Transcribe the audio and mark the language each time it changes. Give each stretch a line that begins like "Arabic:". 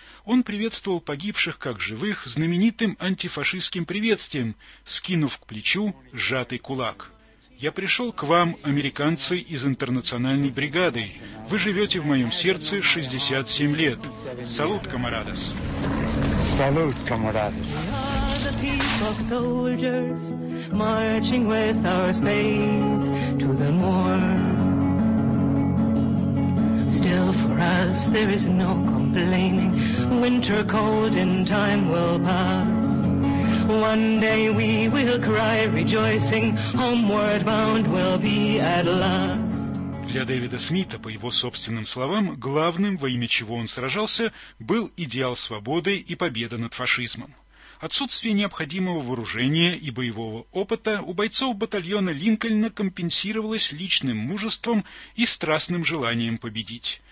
Russian: Он приветствовал погибших как живых знаменитым антифашистским приветствием, скинув к плечу сжатый кулак. «Я пришел к вам, американцы из интернациональной бригады. Вы живете в моем сердце 67 лет. Салют, камарадос!» Салют, камарадос!
English: Peace walk soldiers marching with our spades to the morn. Still for us there is no complaining. Winter cold in time will pass. One day we will cry rejoicing. Homeward bound we'll be at last.
Russian: Для Дэвида Смита, по его собственным словам, главным, во имя чего он сражался, был идеал свободы и победа над фашизмом. Отсутствие необходимого вооружения и боевого опыта у бойцов батальона Линкольна компенсировалось личным мужеством и страстным желанием победить.